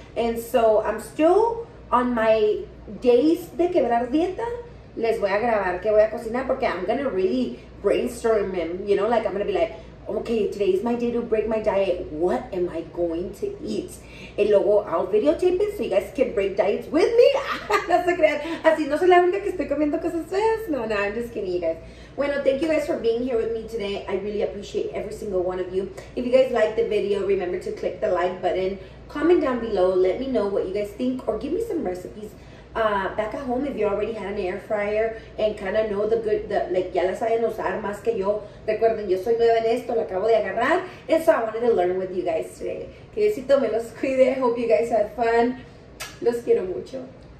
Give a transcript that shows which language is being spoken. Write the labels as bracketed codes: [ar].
[en] And so I'm still on my days [es] de quebrar dieta. Les voy a grabar que voy a cocinar porque [en] I'm going to really brainstorm him. You know, like I'm going to be like, okay, today's my day to break my diet. What am I going to eat? [es] Y luego [en] I'll videotape it so you guys can break diets with me. [es] No se crean. Así no soy la única que estoy comiendo cosas feas. [en] No, no, I'm just kidding, you guys. Bueno, thank you guys for being here with me today. I really appreciate every single one of you. If you guys liked the video, remember to click the like button. Comment down below. Let me know what you guys think or give me some recipes. Back at home, if you already had an air fryer and kind of know the good, like, [es] ya la saben usar más que yo. Recuerden, yo soy nueva en esto, la acabo de agarrar. [en] And so I wanted to learn with you guys today. [es] Que Diosito me los cuide. [en] I hope you guys had fun. [es] Los quiero mucho.